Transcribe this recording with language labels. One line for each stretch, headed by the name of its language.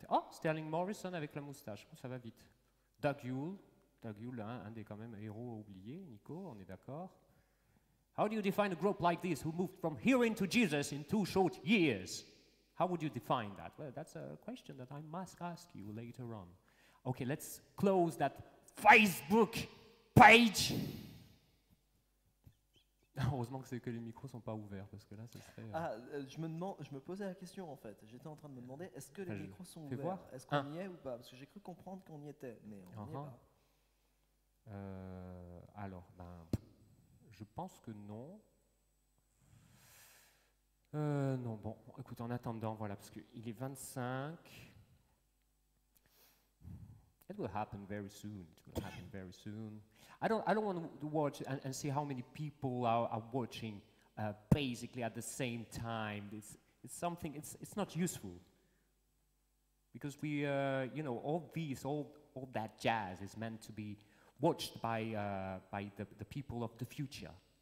French: Sterling Morrison avec la moustache, ça va vite. Doug Yule, un des quand même héros à oublier, Nico, on est d'accord.
English: How do you define a group like this who moved from hearing to Jesus in two short years? How would you define that? Well, that's a question that I must ask you later on. Okay, let's close that Facebook page.
French: Heureusement que c'est que les micros sont pas ouverts parce que là ce serait je me posais la question en fait. J'étais en train de me demander est-ce que les micros sont ouverts, voir. Est-ce qu'on y est ou pas, parce que j'ai cru comprendre qu'on y était mais on n'y est pas. Alors ben je pense que non. Non bon, écoute en attendant voilà parce que il est 25.
English: It will happen very soon. It will happen very soon. I don't want to watch and see how many people are watching basically at the same time. It's not useful. Because we you know all that jazz is meant to be watched by the people of the future.